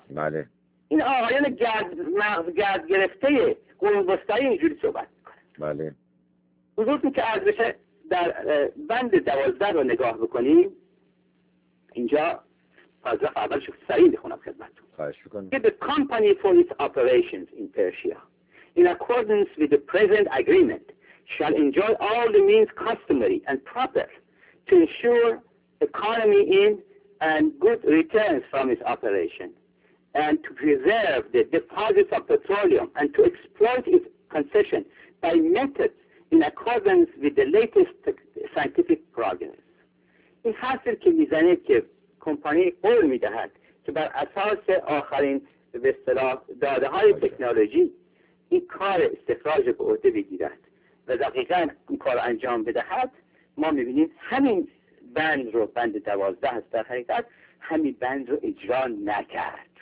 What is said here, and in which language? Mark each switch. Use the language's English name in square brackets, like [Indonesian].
[Persian] بله. این آقایان گرد گرفته قرون وسطایی اینجوری صحبت. بله. حضورتون که عرض بشه در بند 12 رو نگاه بکنیم، اینجا پاراگراف اولش رو سریع میخونم خدمتتون. خواهش میکنم. [English] The company for its operations in Persia in accordance with the present agreement shall enjoy all the means customary and proper to ensure economy in and good returns from its operation and to preserve the deposits of petroleum and to exploit its concession by methods in accordance with the latest scientific progress. [Persian] این حاصل که میزنه که کمپانی قول میدهد که بر اساس آخرین به اصطلاح داده های تکنولوژی این کار استخراج به عهده بگیرد و دقیقا این کار انجام بدهد. ما میبینیم همین بند رو، بند 12 هست در حقیقت، همین بند رو اجرا نکرد.